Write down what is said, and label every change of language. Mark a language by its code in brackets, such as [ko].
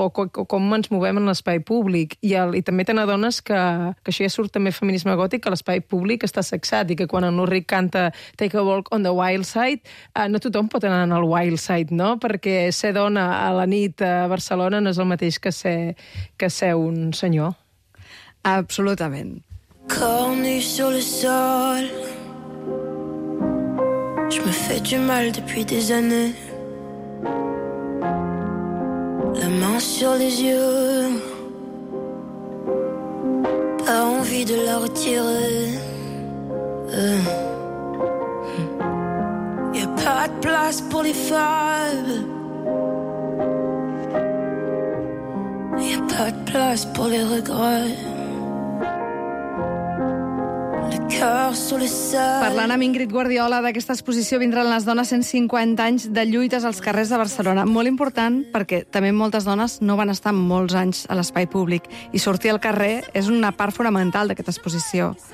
[ca] o com ens movem en l'espai públic. I també te n'adones que això ja surt també feminisme gòtic, que l'espai públic està sexat i que quan en Ulrich canta Take a Walk on the Wild Side, no tothom pot anar al Wild Side, no? Perquè ser dona a la nit a Barcelona no és el mateix que ser un senyor. Absolutament. [fr] Comme du sur le sol, je me fais du mal depuis des années. La main sur les yeux, pas envie de la retirer. Y'a pas de place pour les fables, y'a pas de place pour les regrets. [ca] Parlant amb Íngrid Guardiola d'aquesta exposició, vindran les dones 150 anys de lluites als carrers de Barcelona. Molt important, perquè també moltes dones no van estar molts anys a l'espai públic. I sortir al carrer és una part fonamental d'aquesta exposició.